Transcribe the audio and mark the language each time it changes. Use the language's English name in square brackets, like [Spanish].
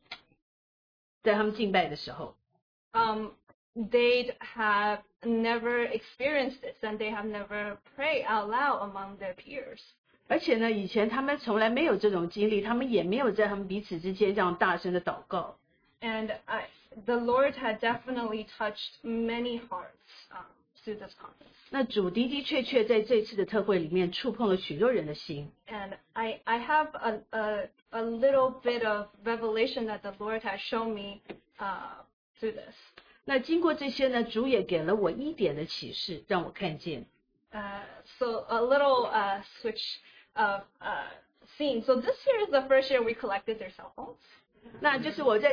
[Chinese] 所以就在我交通的许多的年轻的弟兄姐妹们之中，让我看见，就是说他们许许多多的都经历到亲自的经历到主来碰到他们，在他们敬拜的时候。 [English] They have never experienced this, and they have never prayed out loud among their peers. [Chinese] 而且呢，以前他们从来没有这种经历，他们也没有在他们彼此之间这样大声的祷告。 [English] And the Lord had definitely touched many hearts through this conference. [Chinese] 那主的的确确在这次的特会里面触碰了许多人的心。 [English] And I have a little bit of revelation that the Lord has shown me through this. [Chinese] 那经过这些呢，主也给了我一点的启示，让我看见。 [English] So a little switch of scene. So this year is the first year we collected their cell phones.